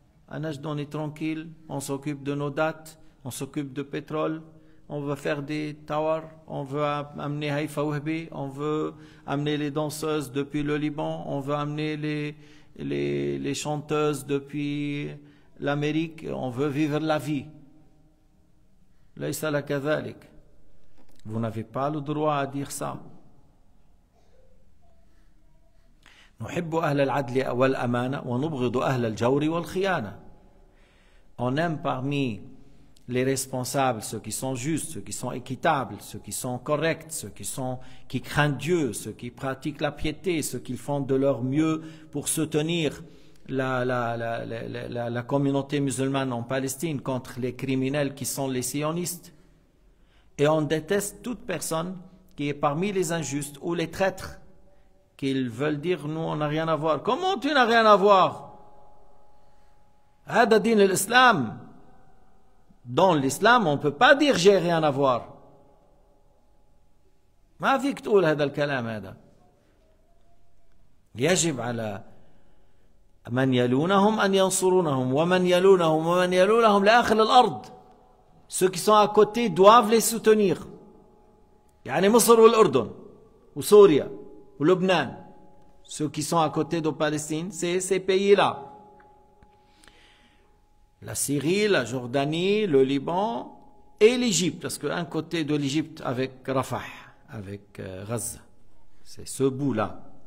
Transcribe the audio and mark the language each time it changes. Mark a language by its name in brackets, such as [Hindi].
[French] À Najd on est tranquille, on s'occupe de nos dattes, on s'occupe de pétrole, on veut faire des towers, on veut amener Haïfa Wahbi, on veut amener les danseuses depuis le Liban, on veut amener les chanteuses depuis l'Amérique, on veut vivre la vie. [Arabic] ليس لك ذلك. [French] Vous n'avez pas le droit à dire ça. [Arabic] نحب أهل العدل والأمانة ونبغض أهل الجور والخيانة. [French] On aime parmi les responsables ceux qui sont justes, ceux qui sont équitables, ceux qui sont corrects, ceux qui craignent Dieu, ceux qui pratiquent la piété, ceux qui font de leur mieux pour soutenir la communauté musulmane en Palestine contre les criminels qui sont les sionistes. Et on déteste toute personne qui est parmi les injustes ou les traîtres, qu'ils veulent dire nous on n'a rien à voir. Comment tu n'as rien à voir? [Arabic] Hada din l'islam. [French] Dans l'islam on ne peut pas dire j'ai rien à voir. [Arabic] Ma fik t'oul hada l'kalam hada. Yajib ala من يلونهم أن ينصرونهم ومن يلونهم ومن يلونهم لآخر الأرض. [French] Ceux qui sont à côté doivent les soutenir. [Arabic] يعني مصر والأردن وسوريا ولبنان. [French] Ceux qui sont à côté de Palestine, c'est ces pays-là. La Syrie, la Jordanie, le Liban et l'Égypte. Parce qu'un côté de l'Égypte avec Rafah, avec Gaza. C'est ce bout-là.